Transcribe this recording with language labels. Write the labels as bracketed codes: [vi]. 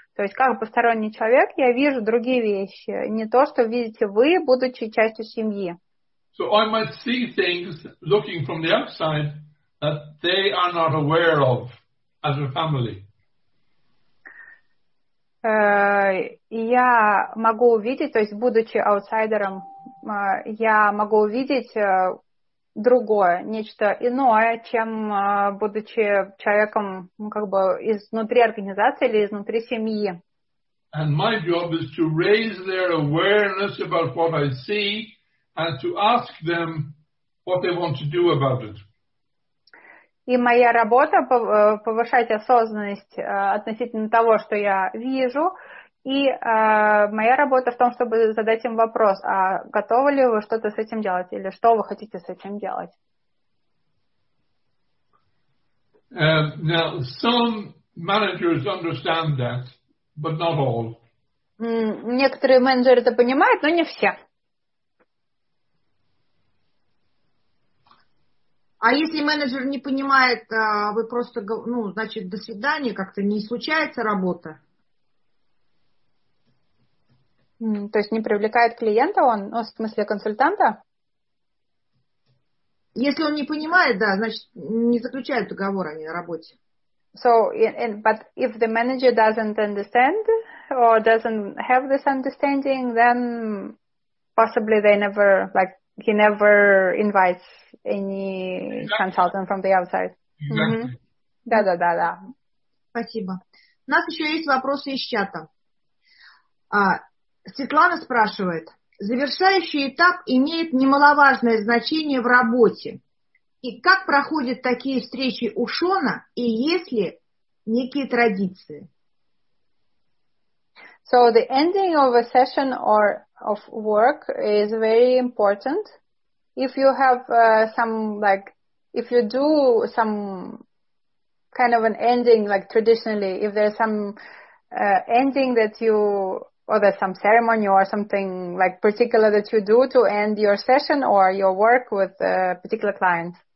[ru] То есть, как посторонний человек, я вижу другие вещи, не то, что видите вы, будучи частью семьи. [en] So I might see things looking from the outside that they are not aware of as a family. [ru] Я могу увидеть, то есть будучи аутсайдером, я могу увидеть другое, нечто иное, чем будучи человеком, как бы изнутри организации или изнутри семьи. [en] And my job is to raise their awareness about what I see. And to ask them what they want to do about it. [ru] И моя работа повышать осознанность относительно того, что я вижу, и моя работа в том, чтобы задать им вопрос: а готовы ли вы что-то с этим делать или что вы хотите с этим делать? [en] Now some managers understand that, but not all. [ru] Некоторые менеджеры это понимают, но не все. А если менеджер не понимает, вы просто, значит, до свидания, как-то не случается работа? То есть не привлекает клиента он, в смысле консультанта? Если он не понимает, да, значит, не заключают договор они на работе. [en] So, but if the manager doesn't understand or doesn't have this understanding, then possibly they never, like, he never invites any exactly. consultant from the outside. Exactly. [ru] Mm-hmm. Да. Спасибо. У нас еще есть вопросы из чата. Светлана спрашивает. Завершающий этап имеет немаловажное значение в работе. И как проходят такие встречи у Шона и есть ли некие традиции? [en] So the ending of a session or of work is very important. If you have some like if you do some kind of an ending, like traditionally, if there's some ending that you, or there's some ceremony or something like particular that you do to end your session or your work with a particular client?